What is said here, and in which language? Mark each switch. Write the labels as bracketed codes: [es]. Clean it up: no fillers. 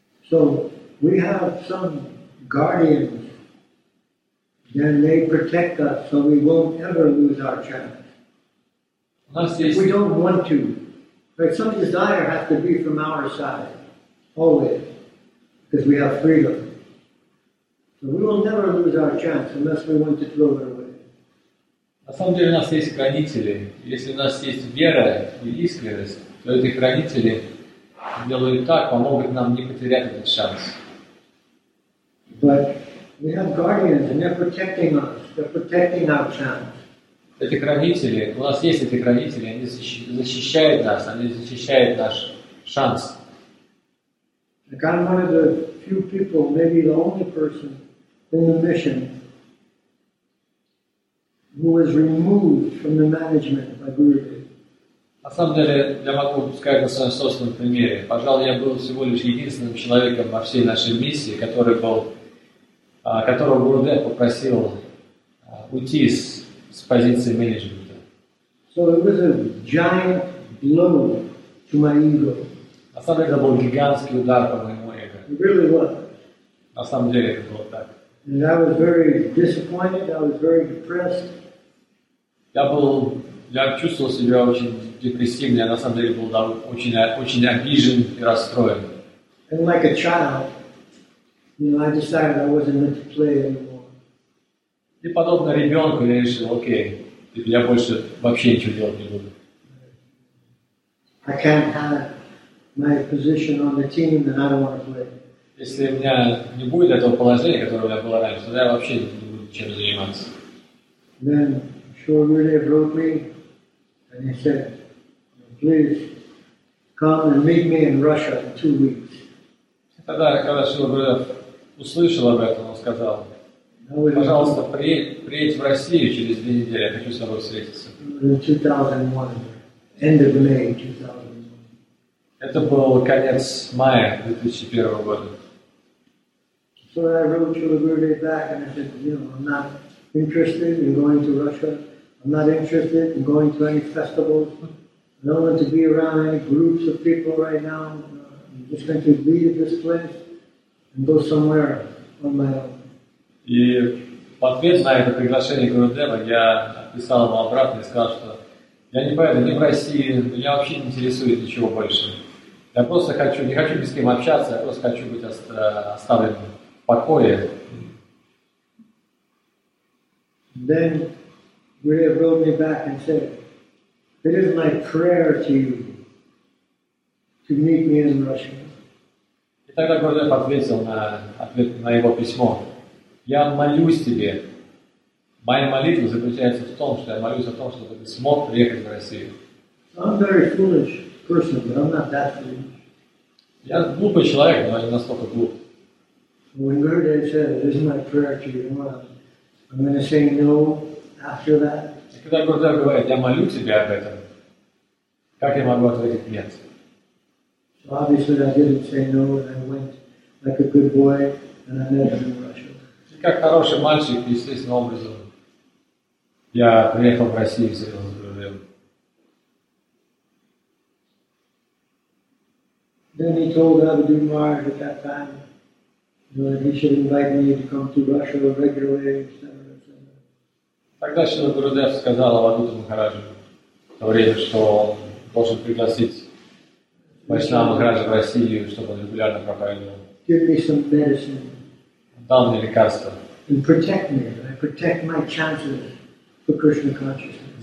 [en] So we have some guardians, then they protect us so we won't ever lose our chance. If we don't want to. But some desire has to be from our side, always, because we have freedom. So we will never lose our chance unless we want to throw it away. [ru] На самом деле у нас есть хранители. Если у нас есть вера и искренность, то эти хранители делают так, помогут нам не потерять этот шанс. [en] But we have guardians and they're protecting us. They're protecting our chance. [ru] Эти хранители, у нас есть эти хранители, они защищают нас, они защищают наш шанс. [en] Like I'm one of the few people, maybe the only person in the mission who was removed from the management by Guruji. [ru] На самом деле, я могу сказать на своем собственном примере. Пожалуй, я был всего лишь единственным человеком во всей нашей миссии, которого Гурудев попросил уйти с позиции менеджмента. [en] So it was a giant blow to my ego. [ru] На самом деле, это был гигантский удар по моему эго. [en] It really was. [ru] На самом деле, это было так. [en] And I was very disappointed, I was very depressed. [ru] Я чувствовал себя очень депрессивно, я на самом деле был очень обижен и расстроен. [en] And like a child, you know, I decided I wasn't meant to play anymore. [ru] И подобно ребенку, я решил, окей, теперь я больше вообще ничего делать не буду. [en] I can't have my position on the team and I don't want to play. [ru] Если у меня не будет этого положения, которое у меня было раньше, тогда я вообще не буду чем заниматься. [en] Then Shri Gurudev wrote me and he said, please come and meet me in Russia in 2 weeks. [ru] Когда Шри Гурудев услышал об этом, он сказал, пожалуйста, приедь в Россию через 2 недели, я хочу с тобой встретиться. [en] In 2001, end of May 2001. [ru] Это был конец мая 2001 года. [en] So I wrote Shri Gurudev back and I said, you know, I'm not interested in going to Russia. I'm not interested in going to any festivals. I don't want to be around any groups of people right now. I'm just going to leave this place and go somewhere on my own. [ru] И в ответ на это приглашение Гурудева я написал ему обратно и сказал, что я не поеду ни в России, меня вообще не интересует ничего больше. Я просто хочу, не хочу ни с кем общаться, я просто хочу быть оставленным. [en] Then Gurudev wrote me back and said, it is my prayer to you to meet me in Russia. [ru] И тогда Гурудев ответил на его письмо. Я молюсь тебе. Моя молитва заключается в том, что я молюсь о том, чтобы ты смог приехать в Россию. [en] I'm very foolish person, but I'm not that foolish. [ru] Я глупый человек, но не настолько глуп. [en] When Gurudev said, "This is my prayer to you," I'm going to say no after that. [ru] Когда Гурудев говорит, я молю тебя об этом, как я могу ответить нет? [en] So obviously, I didn't say no, and I went like a good boy, and I met him in Russia. [ru] Как хороший мальчик, естественным образом, я приехал в Россию с этим Гурудевым. [en] Then he told Abhidhu Maharaj at that time. He should invite me to come to Russia regularly, etc. [ru] Тогда Шрила Гурудев сказал Абхуту Махараджу, что он должен пригласить Вайшнава Махараджа в Россию, чтобы он регулярно проповедовал. [en] Give me some medicine. [ru] Дал мне лекарство. [en] And protect me. I protect my chances for Krishna consciousness.